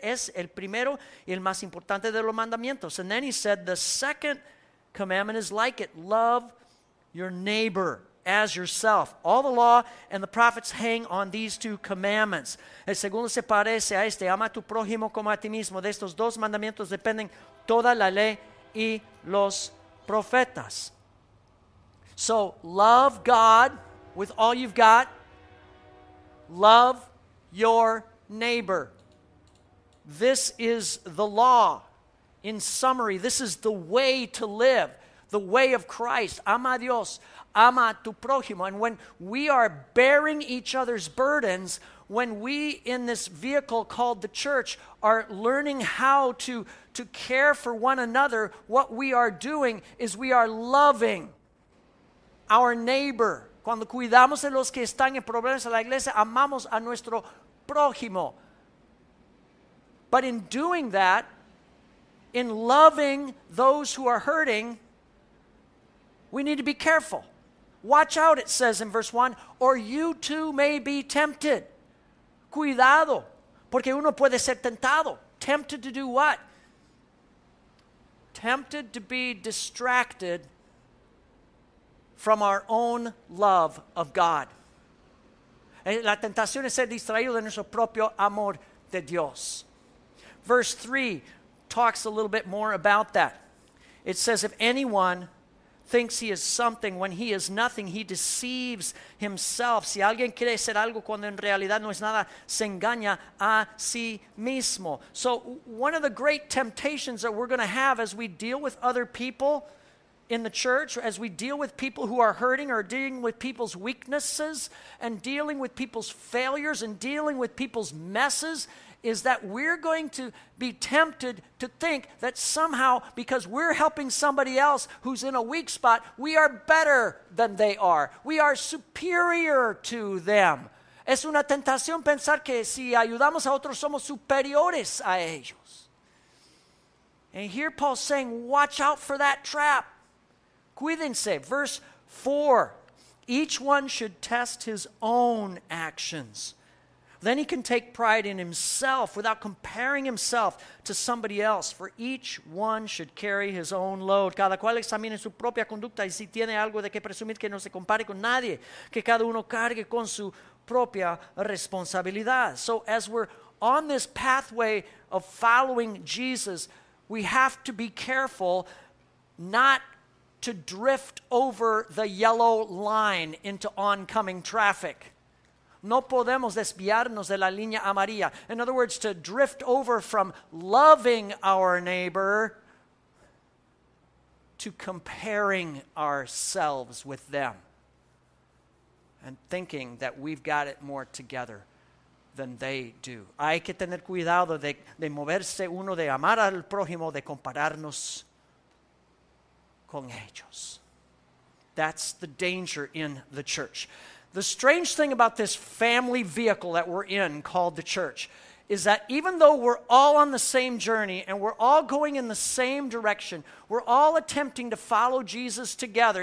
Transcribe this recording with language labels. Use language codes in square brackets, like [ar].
[es] Es el primero y el más importante de los mandamientos. [en] And then he said, the second commandment is like it. Love your neighbor as yourself. All the law and the prophets hang on these two commandments. [es] El segundo se parece a este. Ama a tu prójimo como a ti mismo. De estos dos mandamientos dependen toda la ley y los profetas. [en] So love God with all you've got. Love your neighbor. This is the law. In summary, this is the way to live. The way of Christ. [es] Ama a Dios. Ama tu prójimo. [en] And when we are bearing each other's burdens, when we in this vehicle called the church are learning how to care for one another, what we are doing is we are loving our neighbor. [es] Cuando cuidamos de los que están en problemas en la iglesia, amamos a nuestro prójimo. [en] But in doing that, in loving those who are hurting, we need to be careful. Watch out, it says in verse 1, or you too may be tempted. [es] Cuidado, porque uno puede ser tentado. [en] Tempted to do what? Tempted to be distracted from our own love of God. [es] La tentación es ser distraído de nuestro propio amor de Dios. [en] Verse 3 talks a little bit more about that. It says, if anyone thinks he is something when he is nothing, he deceives himself. [es] Si alguien quiere ser algo cuando en realidad no es nada, se engaña a sí mismo. [en] So one of the great temptations that we're going to have as we deal with other people in the church, as we deal with people who are hurting or dealing with people's weaknesses and dealing with people's failures and dealing with people's messes, is that we're going to be tempted to think that somehow because we're helping somebody else who's in a weak spot, we are better than they are. We are superior to them. [es] Es una tentación pensar que si ayudamos a otros somos superiores a ellos. [en] And here Paul's saying, watch out for that trap. [es] Cuídense. [en] Verse 4, each one should test his own actions. Then he can take pride in himself without comparing himself to somebody else. For each one should carry his own load. [es] Cada cual examine su propia conducta y si tiene algo de que presumir que no se compare con nadie, que cada uno cargue con su propia responsabilidad. [en] So as we're on this pathway of following Jesus, we have to be careful not to drift over the yellow line into oncoming traffic. [es] No podemos desviarnos de la línea amarilla. [en] In other words, to drift over from loving our neighbor to comparing ourselves with them and thinking that we've got it more together than they do. [es] Hay que tener cuidado de moverse uno, de amar al prójimo, de compararnos con ellos. [en] That's the danger in the church. The strange thing about this family vehicle that we're in called the church is that even though we're all on the same journey and we're all going in the same direction, we're all attempting to follow Jesus together.